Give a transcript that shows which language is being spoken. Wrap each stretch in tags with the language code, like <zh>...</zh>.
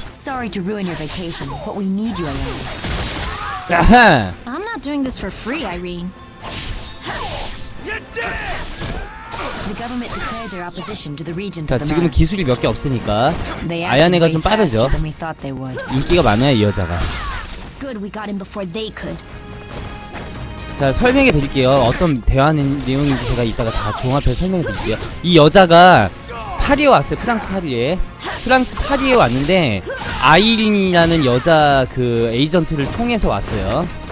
<en>Sorry to ruin your vacation, but we need you alone. I'm not doing this for free, Irene. You're dead. The government declared their opposition to the regent.</en> <ko>자, 지금은 기술이 몇 개 없으니까 아야네가 좀 빠르죠. 인기가 많아요 이 여자가.</ko> <en>It's good we got him before they could.</en> <ko>자, 설명해 드릴게요. 어떤 대화 내용인지 제가 이따가 다 종합해서 설명해 드릴게요. 이 여자가 파리에 왔어요. 프랑스 파리에. 프랑스 파리에 왔는데 아이린이라는 여자 그 에이전트를 통해서 왔어요.</ko>